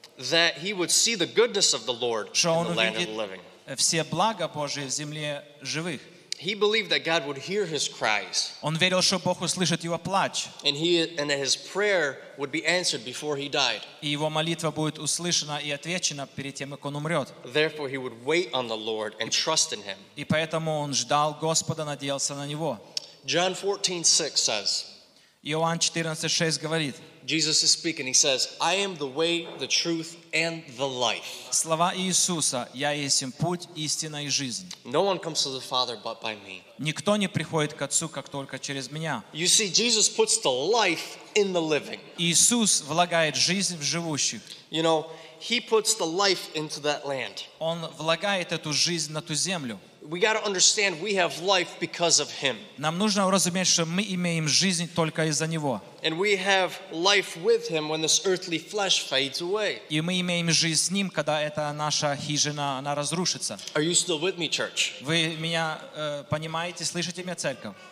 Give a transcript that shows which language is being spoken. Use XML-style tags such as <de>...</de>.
<en>That he would see the goodness of the Lord in the land of the living.</en> <ru>Все блага Божие в земле живых.</ru> <en>He believed that God would hear his cries.</en> <ru>Он верил, что Бог услышит его плач.</ru> <en>And his prayer would be answered before he died.</en> <ru>И его молитва будет услышана и отвечена перед тем, как он умрет.</ru> <en>Therefore, he would wait on the Lord and trust in Him.</en> <ru>И поэтому он ждал Господа, надеялся на него.</ru> <en>John 14:6 says.</en> <ru>Иоанн 14:6 говорит.</ru> <en>Jesus is speaking. He says, "I am the way, the truth, and the life."</en> <ru>Слова Иисуса: Я есть путь, истина и жизнь.</ru> <en>No one comes to the Father but by me.</en> <ru>Никто не приходит к Отцу, как только через меня.</ru> <en>You see, Jesus puts the life in the living.</en> <ru>Иисус влагает жизнь в живущих.</ru> <en>You know, He puts the life into that land.</en> <ru>Он влагает эту жизнь на ту землю.</ru> <en>We got to understand we have life because of Him.</en> <ru>Нам нужно уразуметь, что мы имеем жизнь только из-за Него.</ru> <en>And we have life with Him when this earthly flesh fades away.</en> <ru>И мы имеем жизнь с Ним, когда эта наша хижина она разрушится.</ru> <en>Are you still with me, church?</en> <ru>Вы меня понимаете, слышите меня, церковь?</ru>